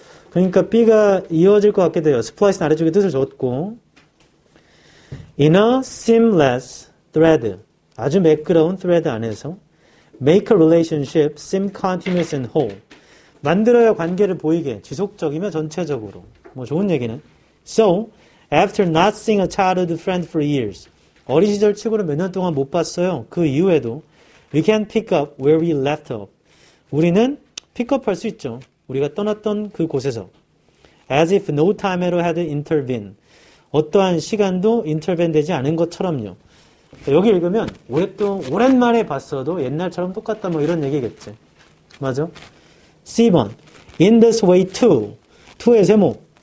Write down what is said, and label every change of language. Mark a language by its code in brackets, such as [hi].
[ko] 그러니까 B가 이어질 것 같게 돼요. [en] Spliced [ko] 아래쪽에 뜻을 줬고. [en] In a seamless thread. [ko] 아주 매끄러운 thread 안에서. [en] Make a relationship seem continuous and whole. [ko] 만들어야 관계를 보이게 지속적이며 전체적으로. 뭐 좋은 얘기네. [en] So, after not seeing a childhood friend for years. [ko] 어린 시절 친구를 몇 년 동안 못 봤어요. 그 이후에도. [en] We can pick up where we left off. [ko] 우리는 pick-up 할 수 있죠. 우리가 떠났던 그 곳에서. [en] As if no time ever had intervened. [ko] 어떠한 시간도 intervene 되지 않은 것처럼요. 여기 읽으면 오랜만에 봤어도 옛날처럼 똑같다 뭐 이런 얘기겠지. 맞아? C번. [en] In this way too. [ko] 2의 세모.